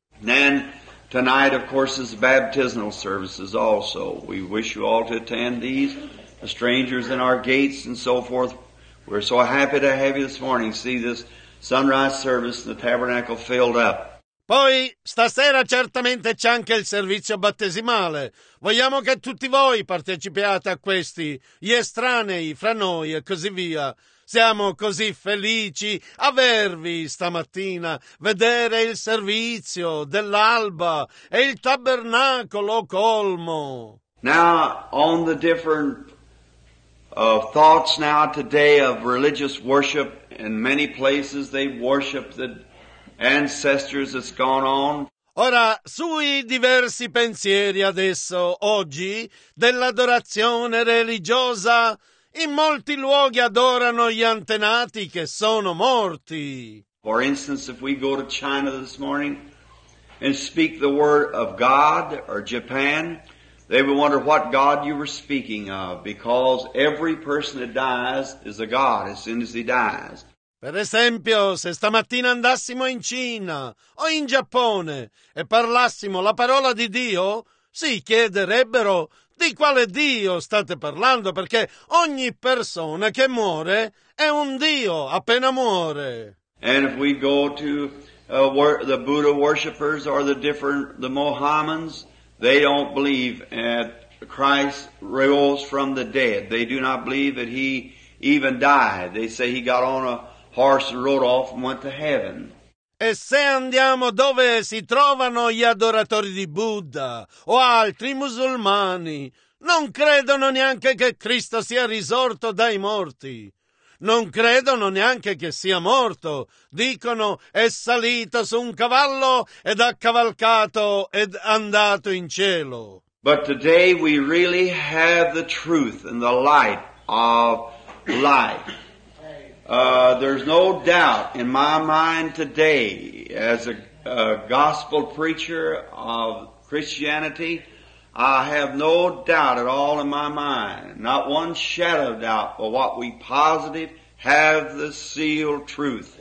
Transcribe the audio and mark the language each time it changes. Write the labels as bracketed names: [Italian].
[English] And tonight, of course, is baptismal services also. We wish you all to attend these, the strangers in our gates and so forth. We're so happy to have you this morning. See this sunrise service in the tabernacle filled up. [Italian] Poi stasera certamente c'è anche il servizio battesimale. Vogliamo che tutti voi partecipiate a questi, gli estranei fra noi e così via. Siamo così felici avervi stamattina, vedere il servizio dell'alba e il tabernacolo colmo. [English] Now on the different thoughts now today of religious worship, in many places they worship the ancestors that's gone on. [Italian] Ora, sui diversi pensieri adesso, oggi, dell'adorazione religiosa, in molti luoghi adorano gli antenati che sono morti. [English] For instance, if we go to China this morning and speak the word of God, or Japan, they would wonder what God you were speaking of, because every person that dies is a god as soon as he dies. [Italian] Per esempio, se stamattina andassimo in Cina o in Giappone e parlassimo la parola di Dio, si chiederebbero di quale Dio state parlando, perché ogni persona che muore è un Dio appena muore. [English] And if we go to the Buddha worshippers or the Mohammedans, they don't believe that Christ rose from the dead. They do not believe that he even died. They say he got on a horse and rode off and went to heaven. [Italian] E se andiamo dove si trovano gli adoratori di Buddha o altri musulmani, non credono neanche che Cristo sia risorto dai morti. Non credono neanche che sia morto. Dicono è salito su un cavallo ed ha cavalcato ed andato in cielo. [English] But today we really have the truth and the light of life. There's no doubt in my mind today, as a gospel preacher of Christianity, I have no doubt at all in my mind, not one shadow of doubt, but what we positive have the sealed truth.